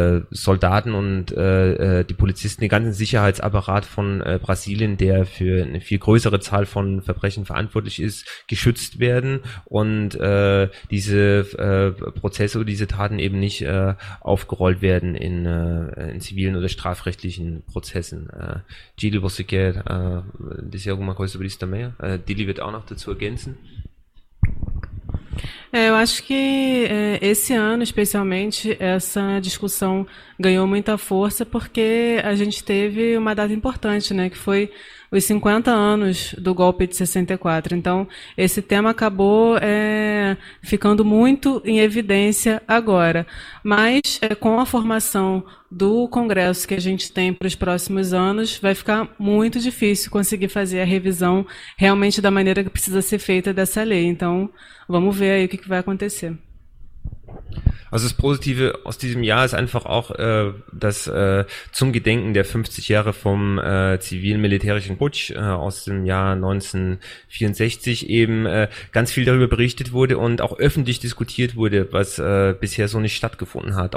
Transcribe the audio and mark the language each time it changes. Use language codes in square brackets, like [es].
[de] Soldaten und die Polizisten, den ganzen Sicherheitsapparat von Brasilien, der für eine viel größere Zahl von Verbrechen verantwortlich ist, geschützt werden und diese Prozesse oder diese Taten eben nicht aufgerollt werden in zivilen oder strafrechtlichen Prozessen. Gilles, was das ist ja [pt] alguma coisa sobre isso também. [de] Dili wird auch noch dazu ergänzen. [pt] Eu acho que esse ano, especialmente, essa discussão ganhou muita força porque a gente teve uma data importante, né, que foi os 50 anos do golpe de 64. Então, esse tema acabou ficando muito em evidência agora. Mas, com a formação do Congresso que a gente tem para os próximos anos, vai ficar muito difícil conseguir fazer a revisão realmente da maneira que precisa ser feita dessa lei. Então, vamos ver aí o que vai acontecer. [de] Also das Positive aus diesem Jahr ist einfach auch, dass zum Gedenken der 50 Jahre vom zivilen militärischen Putsch aus dem Jahr 1964 eben ganz viel darüber berichtet wurde und auch öffentlich diskutiert wurde, was bisher so nicht stattgefunden hat.